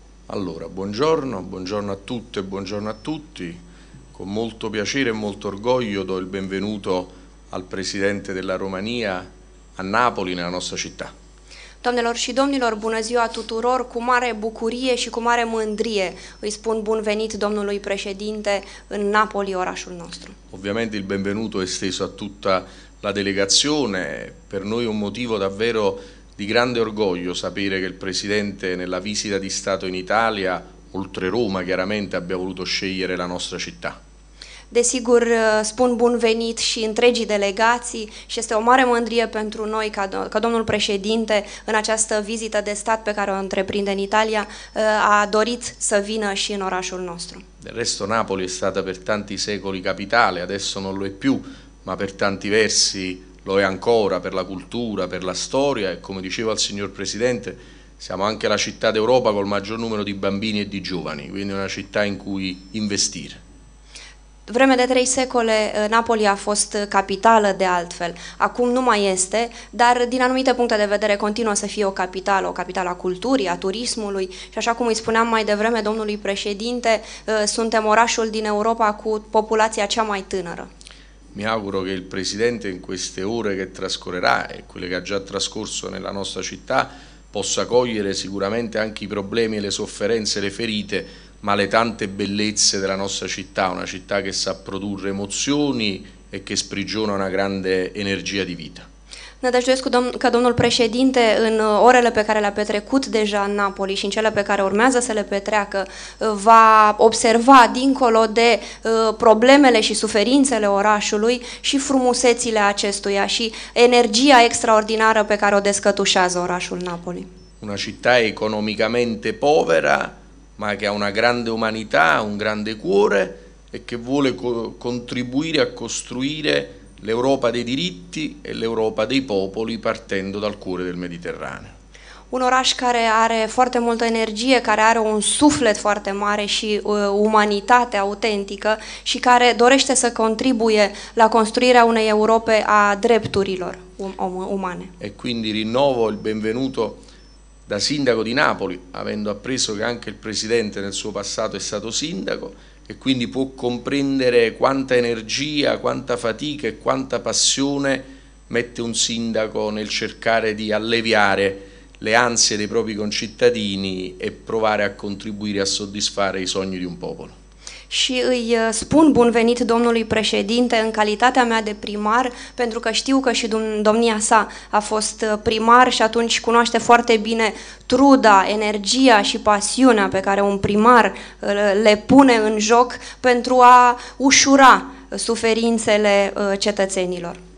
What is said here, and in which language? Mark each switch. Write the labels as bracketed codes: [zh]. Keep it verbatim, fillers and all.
[it] Allora, buongiorno, buongiorno a tutte e buongiorno a tutti. Con molto piacere e molto orgoglio do il benvenuto al Presidente della România a Napoli, nella nostra città. [ro] Doamnelor și domnilor, bună ziua tuturor! Cu mare bucurie și cu mare mândrie îi spun bun venit domnului președinte în Napoli, orașul nostru. [it] Ovviamente il benvenuto è esteso a tutta la delegazione. Per noi è un motivo davvero di grande orgoglio sapere che il Presidente nella visita di Stato in Italia, oltre Roma chiaramente, abbia voluto scegliere la nostra città. [ro] Desigur, spun bun venit și întregii delegații și este o mare mândrie pentru noi ca, do- ca domnul președinte în această vizită de stat pe care o întreprinde în Italia a dorit să vină și în orașul nostru. [it] Del resto Napoli è stata per tanti secoli capitale, adesso non lo è più, ma per tanti versi lo è ancora per la cultura, per la storia e come diceva il signor Presidente siamo anche la città d'Europa col maggior numero di bambini e di giovani, quindi una città in cui investire. [ro] Vreme de trei secole, Napoli a fost capitală de altfel. Acum nu mai este, dar din anumite puncte de vedere continuă să fie o capitală, o capitală a culturii, a turismului și așa cum îi spuneam mai devreme domnului președinte, suntem orașul din Europa cu populația cea mai tânără. [it] Mi auguro che il Presidente in queste ore che trascorrerà e quelle che ha già trascorso nella nostra città possa cogliere sicuramente anche i problemi, le sofferenze, le ferite, ma le tante bellezze della nostra città, una città che sa produrre emozioni e che sprigiona una grande energia di vita. [ro] Nădăjduiesc că domnul președinte în orele pe care le-a petrecut deja în Napoli și în cele pe care urmează să le petreacă va observa dincolo de problemele și suferințele orașului și frumusețile acestuia și energia extraordinară pe care o descătușează orașul Napoli. [it] Una città economicamente povera, ma che ha una grande umanità, un grande cuore e che vuole co- contribuire a costruire l'Europa dei diritti e l'Europa dei popoli partendo dal cuore del Mediterraneo. [ro] Un oraș care are foarte multă energie, care are un suflet foarte mare și uh, umanitate autentică și care dorește să contribuie la construirea unei Europe a drepturilor um- um- umane. [it] E quindi rinnovo il benvenuto da sindaco di Napoli, avendo appreso che anche il presidente nel suo passato è stato sindaco e quindi può comprendere quanta energia, quanta fatica e quanta passione mette un sindaco nel cercare di alleviare le ansie dei propri concittadini e provare a contribuire a soddisfare i sogni di un popolo. [ro] Și îi spun bun venit domnului președinte în calitatea mea de primar, pentru că știu că și domnia sa a fost primar și atunci cunoaște foarte bine truda, energia și pasiunea pe care un primar le pune în joc pentru a ușura suferințele cetățenilor.